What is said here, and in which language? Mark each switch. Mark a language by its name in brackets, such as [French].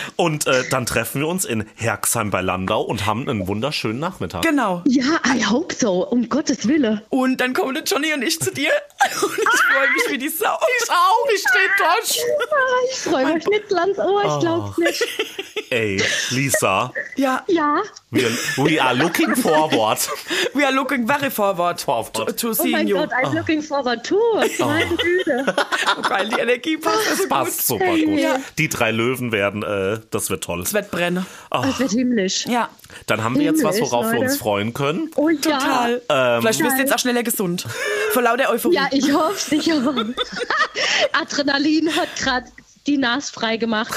[German] Und dann treffen wir uns in Herxheim bei Landau und haben einen wunderschönen Nachmittag. Genau. Ja, [English] I hope so, [German] um Gottes Wille. Und dann kommen Johnny und ich zu dir und ich freue mich wie die Sau. Ich auch, ich drehe durch. Ich freue mich nicht, Lanz, ich glaub's nicht. Ey, Lisa. Ja. Ja. [English] We are looking forward. We are looking very forward. To seeing you. [German] Oh mein Gott, [English] I'm looking forward too. [German] Meine Güte. Weil die Energie passt. Es passt super gut. Ja. Die 3 Löwen werden, das wird toll. Es wird brennen. Oh. Es wird himmlisch. Ja. Dann haben wir jetzt was, worauf wir uns freuen können. Oh, ja. Total. Vielleicht wirst du jetzt auch schneller gesund. Vor lauter Euphorie. Ja, ich hoffe es. Adrenalin hat gerade die Nase frei gemacht.